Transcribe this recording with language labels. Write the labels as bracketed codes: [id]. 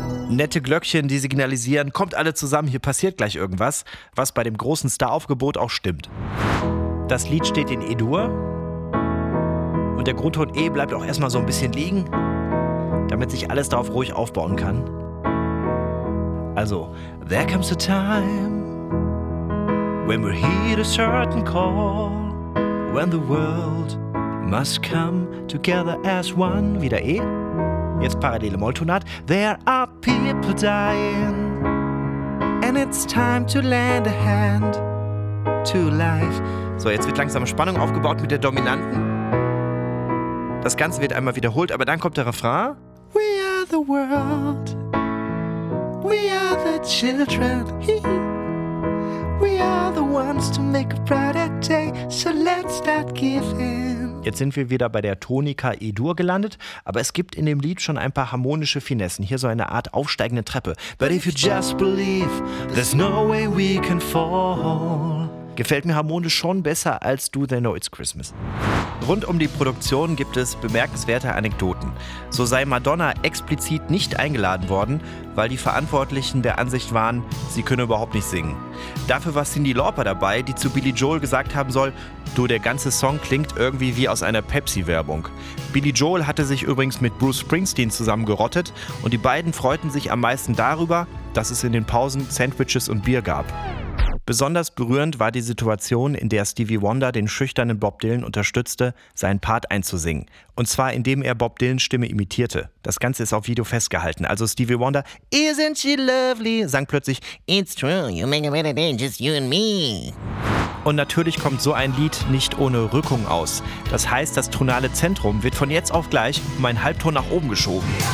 [de] Nette Glöckchen, die signalisieren, kommt alle zusammen, hier passiert gleich irgendwas, was bei dem großen Star-Aufgebot auch stimmt. Das Lied steht in E-Dur und der Grundton E bleibt auch erstmal so ein bisschen liegen, damit sich alles darauf ruhig aufbauen kann. [en] Also, there comes a time, when we heed a certain call, when the world must come together as one, [de] wieder E. Jetzt parallele Molltonart. [en] There are people dying, and it's time to lend a hand to life. [de] So, jetzt wird langsam Spannung aufgebaut mit der Dominanten. Das Ganze wird einmal wiederholt, aber dann kommt der Refrain. [en] We are the world, we are the children, we are the ones to make a brighter day, so let's start giving. [de] Jetzt sind wir wieder bei der Tonika E-Dur gelandet, aber es gibt in dem Lied schon ein paar harmonische Finessen. Hier so eine Art aufsteigende Treppe. [en] But if you just believe, there's no way we can fall. [de] Gefällt mir harmonisch schon besser als Do They Know It's Christmas. Rund um die Produktion gibt es bemerkenswerte Anekdoten. So sei Madonna explizit nicht eingeladen worden, weil die Verantwortlichen der Ansicht waren, sie könne überhaupt nicht singen. Dafür war Cyndi Lauper dabei, die zu Billy Joel gesagt haben soll, du, der ganze Song klingt irgendwie wie aus einer Pepsi-Werbung. Billy Joel hatte sich übrigens mit Bruce Springsteen zusammengerottet und die beiden freuten sich am meisten darüber, dass es in den Pausen Sandwiches und Bier gab. Besonders berührend war die Situation, in der Stevie Wonder den schüchternen Bob Dylan unterstützte, seinen Part einzusingen. Und zwar, indem er Bob Dylans Stimme imitierte. Das Ganze ist auf Video festgehalten. [en] Also Stevie Wonder, Isn't she lovely, [de] sang plötzlich, [en] It's true, you make a better day, just you and me. [de] Und natürlich kommt so ein Lied nicht ohne Rückung aus. Das heißt, das tonale Zentrum wird von jetzt auf gleich um einen Halbton nach oben geschoben.